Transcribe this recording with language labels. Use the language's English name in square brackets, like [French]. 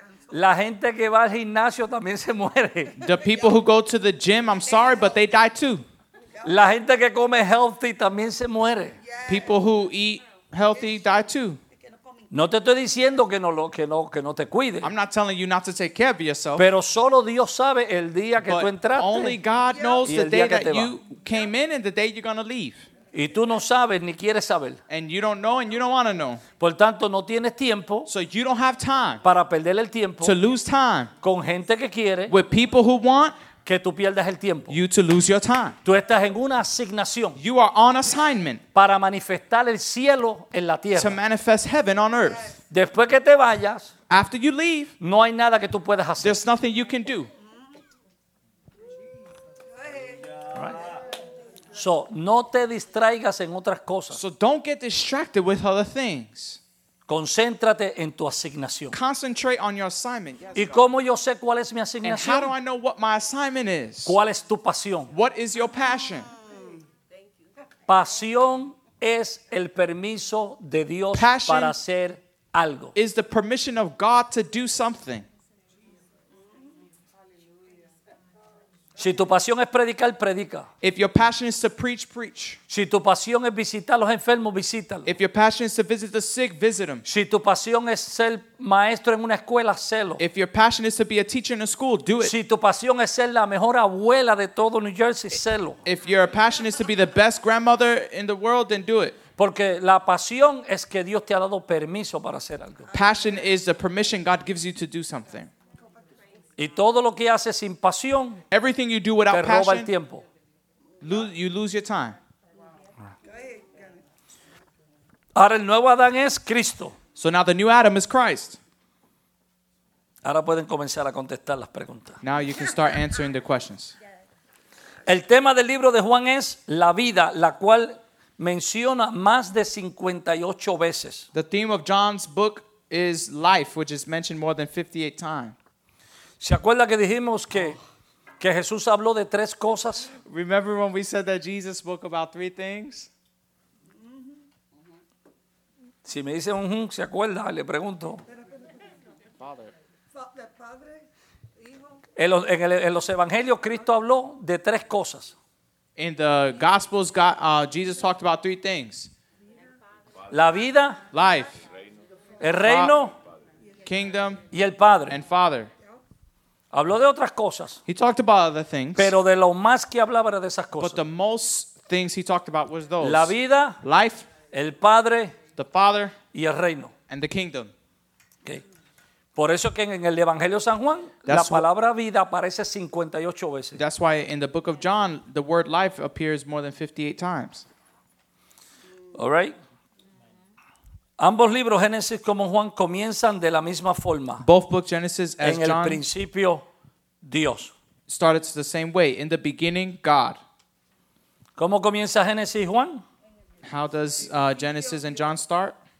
[Spanish] La gente que va al gimnasio también se muere. [English] The people who go to the gym, I'm sorry, but they die too. [Spanish] La gente que come healthy también se muere. [English] People who eat healthy die too. [Spanish] No te estoy diciendo que no, que no, que no te cuides. [English] I'm not telling you not to take care of yourself. [Spanish] Pero solo Dios sabe el día que tú entraste. [English] Only God knows the day that you came in and the day you're going to leave. [Spanish] Y tú no sabes ni quieres saber. [English] And you don't know and you don't want to know. [Spanish] Por tanto, no tienes tiempo. [English] So you don't have time. [Spanish] Para perder el tiempo. [English] To lose time. [Spanish] Con gente que quiere. [English] With people who want. [Spanish] Que tú pierdas el tiempo. [English] You to lose your time. [Spanish] Tú estás en una asignación. [English] You are on assignment. [Spanish] Para manifestar el cielo en la tierra. [English] To manifest heaven on earth. [Spanish] Después que te vayas. [English] After you leave. [Spanish] No hay nada que tú puedas hacer. [English] There's nothing you can do. [Spanish] So, no te distraigas en otras cosas. [English] So don't get distracted with other things. [Spanish] Concéntrate en tu asignación. [English] Concentrate on your assignment. Yes, [Spanish] ¿y cómo yo sé cuál es mi asignación? [English] And how do I know what my assignment is? [Spanish] ¿Cuál es tu pasión? [English] What is your passion? [Spanish] Pasión es el permiso de Dios para hacer algo. [English] Is the permission of God to do something. [Spanish] Si tu pasión es predicar, predica. [English] If your passion is to preach, preach. [Spanish] Si tu pasión es visitar los enfermos, visítalo. [English] If your passion is to visit the sick, visit them. [Spanish] Si tu pasión es ser maestro en una escuela, hazlo. [English] If your passion is to be a teacher in a school, do it. [Spanish] Si tu pasión es ser la mejor abuela de todo New Jersey, hazlo. [English] If your passion is to be the best grandmother in the world, then do it. [Spanish] Porque la pasión es que Dios te ha dado permiso para hacer algo. [English] Passion is the permission God gives you to do something. [Spanish] Y todo lo que haces sin pasión, [English] everything you do without passion, [Spanish] te roba el tiempo. [English] You lose your time. [Spanish] Ahora el nuevo Adán es Cristo. [English] So now the new Adam is Christ. [Spanish] Ahora pueden comenzar a contestar las preguntas. [English] Now you can start answering the questions. [Spanish] El tema del libro de Juan es la vida, la cual menciona más de 58 veces. [English] The theme of John's book is life, which is mentioned more than 58 times. [Spanish] ¿Se acuerda que dijimos que Jesús habló de tres cosas? [English] Remember when we said that Jesus spoke about three things? [Spanish] Si me dice un se acuerda, le pregunto. [English] Father. [Spanish] En los evangelios Cristo habló de tres cosas. [English] In the Gospels, Jesus talked about three things. [Spanish] La vida. [English] Life. [Spanish] El reino. [English] Kingdom. [Spanish] Y el Padre. [English] And Father. [Spanish] Habló de otras cosas. [English] He talked about other things. [Spanish] Pero de lo más que hablaba era de esas cosas. [English] But the most things he talked about was those. [Spanish] La vida. [English] Life. [Spanish] El Padre. [English] The Father. [Spanish] Y el reino. [English] And the kingdom. Okay. [Spanish] Por eso que en el Evangelio San Juan, la palabra vida aparece 58 veces. [English] That's why in the book of John, the word life appears more than 58 times. All right. [Spanish] Ambos libros, Génesis como Juan, comienzan de la misma forma. [English] Both books, Genesis as John. [Spanish] En el principio, Dios. [English] Started the same way. In the beginning, God. [Spanish] ¿Cómo comienza Génesis y Juan? [English] How does Genesis and John start?